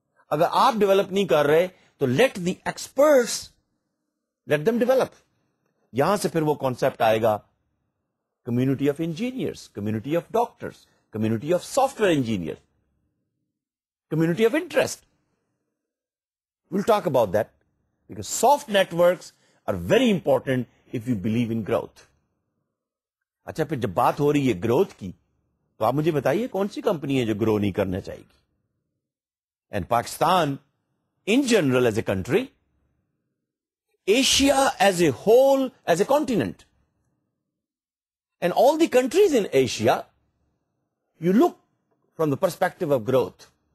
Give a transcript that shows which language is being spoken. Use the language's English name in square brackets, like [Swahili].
[Urdu] اگر آپ ڈیولپ نہیں کر رہے تو [English] Let the experts let them develop. [Urdu] یہاں سے پھر وہ کانسپٹ آئے گا community of engineers, community of doctors, community of soft where engineer, [English] community of interest. We'll talk about that because soft networks are very important if you believe in growth. [Urdu] اچھا پھر جب بات ہو رہی ہے گروتھ کی تو آپ مجھے بتائیے کون سی کمپنی ہے جو گرو نہیں کرنا چاہے گی. [English] And Pakistan in general as a country, Asia as a whole, as a continent, and all the countries in Asia, you look from the perspective of growth.